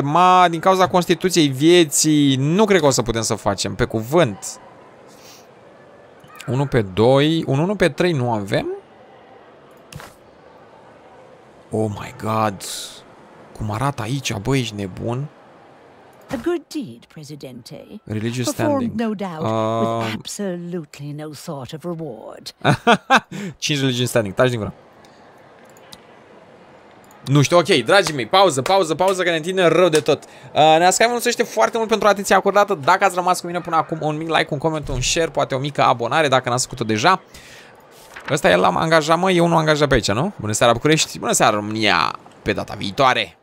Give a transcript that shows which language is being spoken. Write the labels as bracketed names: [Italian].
[Romanian] Ma, din cauza Constituției Vieții, nu cred că o să putem să facem. Pe cuvânt. 1 pe 2. Un 1 pe 3 nu avem? [English] Oh my god. [Romanian] Cum arată aici, băi, ești nebun. [English] A good deed, Presidente. Religious standing. Performed, no doubt, with absolutely no thought of reward. [Romanian] 5 religion standing. Taci din gură. Nu știu, ok, dragii mei, pauză, că ne întindem rău de tot. Neascai vă mulțumește foarte mult pentru atenția acordată. Dacă ați rămas cu mine până acum, un mic like, un coment, un share, poate o mică abonare dacă n-ați făcut-o deja. Ăsta e, l-am angajat, mă, e unul angajat pe aici, nu? Bună seara, București! Bună seara, România! Pe data viitoare!